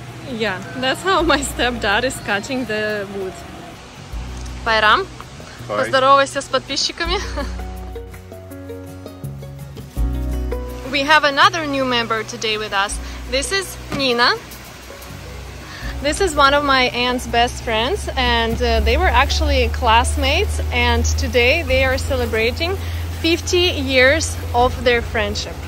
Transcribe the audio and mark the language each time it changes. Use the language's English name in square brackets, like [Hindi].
[English] Yeah, that's how my stepdad is cutting the wood. [Russian] Байрам, поздоровайся с подписчиками. [English] We have another new member today with us. This is Nina. This is one of my aunt's best friends and they were actually classmates and today they are celebrating 50 years of their friendship.